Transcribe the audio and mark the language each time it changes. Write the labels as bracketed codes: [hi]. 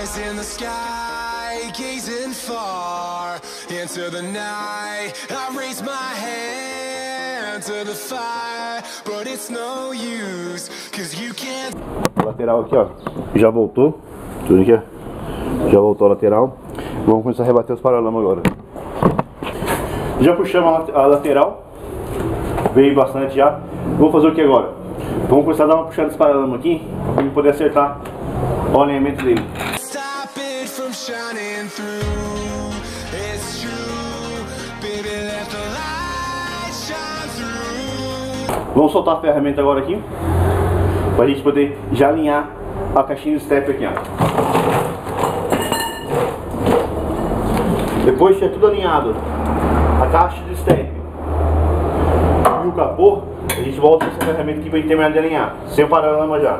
[en] In the sky, gazing far into the night, I raise my hand to the fire, but it's no use, cause you can't. [pt] Lateral aqui ó, já voltou. Tudo aqui ó, já voltou a lateral. Vamos começar a rebater os paralamas agora. Já puxamos a lateral, veio bastante já. Vamos fazer o que agora? Vamos começar a dar uma puxada nos paralamas aqui pra ele poder acertar o alinhamento dele. [en] Shining through, it's true, baby, let the light shine through. [pt] Vamos soltar a ferramenta agora aqui pra gente poder já alinhar a caixinha do step aqui, ó. Depois que é tudo alinhado, a caixa do step e o capô, a gente volta essa ferramenta aqui pra gente terminar de alinhar sem o paralama já.